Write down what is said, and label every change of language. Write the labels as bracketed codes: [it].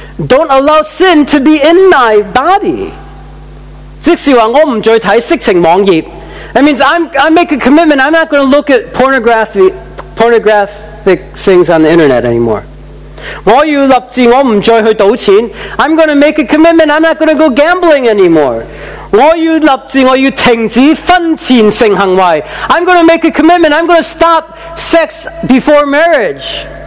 [en] Don't allow sin to be in my body. [zh] 即是说我不再看色情网页. [en] That means I make a commitment, I'm not going to look at pornographic things on the internet anymore. [zh] 我要立志我不再去赌钱. [en] I'm going to make a commitment, I'm not going to go gambling anymore. [zh] 我要立志我要停止婚前性行为. [en] I'm going to make a commitment, I'm going to stop sex before marriage.